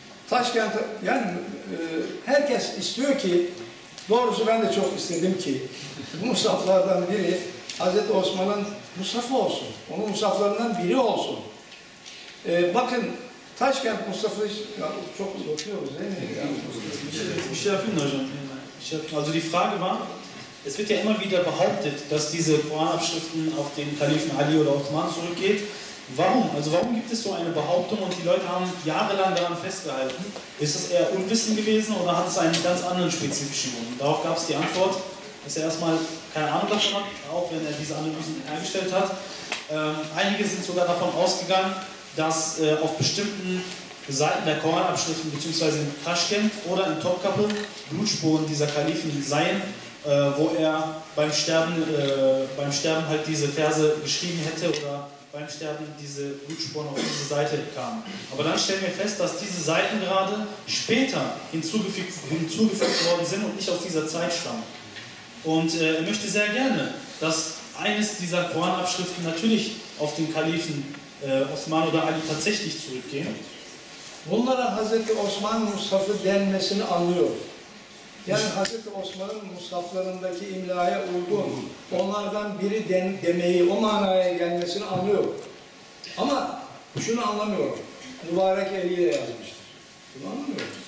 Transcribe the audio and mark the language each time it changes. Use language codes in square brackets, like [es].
[tr] Taşkent, yani herkes istiyor ki, doğrusu ben de çok istedim ki, bu musaflardan biri Hazreti Osman'ın Musaf'ı olsun. Onun Musaf'larından biri olsun. Bakın Taşkent Musaf'ı ya, çok bakıyoruz değil mi? Bir şey yapayım mı hocam? [de] Also die Frage war, es wird ja immer wieder behauptet, dass diese Koranabschriften auf den Kalifen Ali oder Osman zurückgeht. Warum? Also warum gibt es so eine Behauptung und die Leute haben jahrelang daran festgehalten? Ist das eher Unwissen gewesen oder hat es einen ganz anderen spezifischen Grund? Und darauf gab es die Antwort, dass er erstmal keine Ahnung davon hat, auch wenn er diese Analysen eingestellt hat. Einige sind sogar davon ausgegangen, dass auf bestimmten Seiten der Koranabschriften bzw. in Taschkent oder in Topkapı Blutspuren dieser Kalifen seien, wo er beim Sterben halt diese Verse geschrieben hätte oder beim Sterben diese Blutspuren auf diese Seite kamen. Aber dann stellen wir fest, dass diese Seiten gerade später hinzugefügt worden sind und nicht aus dieser Zeit stammen. Und er möchte sehr gerne, dass eines dieser Koranabschriften natürlich auf den Kalifen Osman oder Ali tatsächlich zurückgehen. [tr] Bunlara Hazreti Osman Musaf'ı denmesini anlıyorum. Yani Hazreti Osman'ın Musaf'larındaki imlaya uygun onlardan biri demeyi, o manaya gelmesini anlıyorum. Ama şunu anlamıyorum. Mübarek eliyle yazmıştır. Bunu anlamıyorum.